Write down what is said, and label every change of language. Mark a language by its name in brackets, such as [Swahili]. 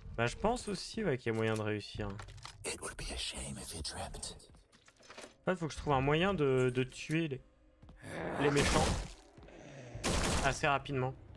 [French] Bah je pense aussi ouais, qu'il y a moyen de réussir. [English] It would be a shame if you dreamt. [French] Ouais, faut que je trouve un moyen de tuer les méchants assez rapidement.